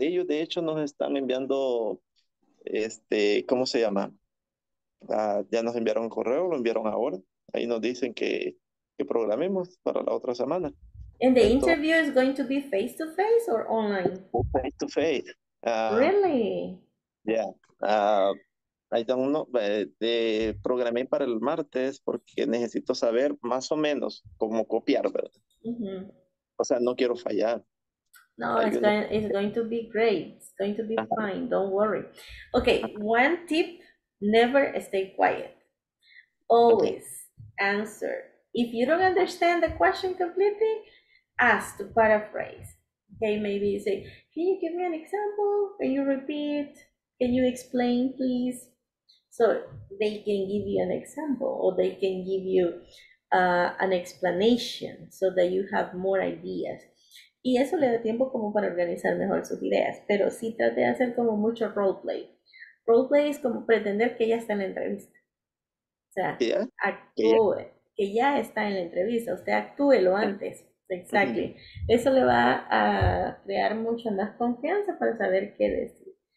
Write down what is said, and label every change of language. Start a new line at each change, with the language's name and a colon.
Spanish: Ellos, de hecho, nos están enviando, ¿cómo se llama? Ya nos enviaron un correo, lo enviaron ahora. Ahí nos dicen que programemos para la otra semana.
English: And the interview is going to be face-to-face or online? Face-to-face. Really? Yeah. I don't know,
Spanish: programé para el martes porque necesito saber más o menos cómo copiar, ¿verdad? Mm-hmm. O sea, no quiero fallar.
English: No, it's going to be great. It's going to be fine. Don't worry. Okay, one tip, never stay quiet. Always answer. If you don't understand the question completely, ask to paraphrase. Okay, maybe you say, can you give me an example? Can you repeat? Can you explain, please? So they can give you an example, or they can give you an explanation so that you have more ideas.
Spanish: Y eso le da tiempo como para organizar mejor sus ideas, pero sí trate de hacer como mucho roleplay. Roleplay es como pretender que ya está en la entrevista. O sea, yeah. Actúe, yeah. Que ya está en la entrevista. Usted actúe lo antes.
English: Exactly.
Spanish: Mm-hmm. Eso le va a crear mucho más confianza para saber qué decir.